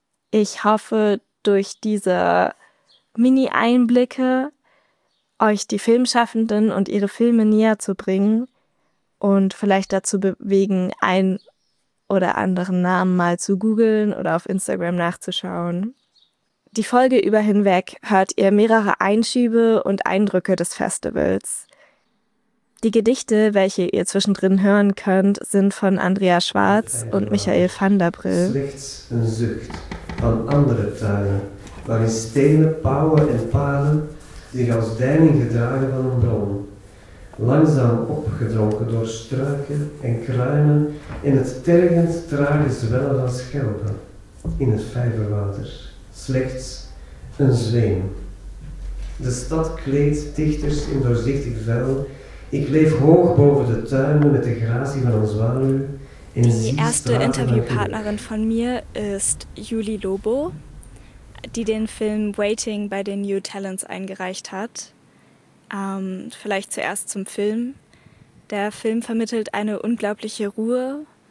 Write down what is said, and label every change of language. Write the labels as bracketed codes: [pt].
[de] Ich hoffe, durch diese Mini-Einblicke euch die Filmschaffenden und ihre Filme näher zu bringen und vielleicht dazu bewegen, einen oder anderen Namen mal zu googeln oder auf Instagram nachzuschauen. Die Folge über hinweg hört ihr mehrere Einschübe und Eindrücke des Festivals. Die Gedichte, welche ihr zwischendrin hören könnt, sind von Andrea Schwarz und Michael van der Brill. [nl] Slechts een zucht van andere tuinen, waarin stenen, pauwen en palen zich als deining gedragen van een bron. Langzaam opgedronken door struiken en kruinen in het tergend trage zwellen van schelpen in het vijverwater. Slechts een zweem. De stad kleedt dichters in doorzichtig vel Ich leef hoch boven de tuinen met de gratie van een zwaluw. [de] Die erste Interviewpartnerin von mir ist Juli Lobo, die den Film Waiting bei den New Talents eingereicht hat. Vielleicht zuerst zum Film. Der Film vermittelt eine unglaubliche Ruhe.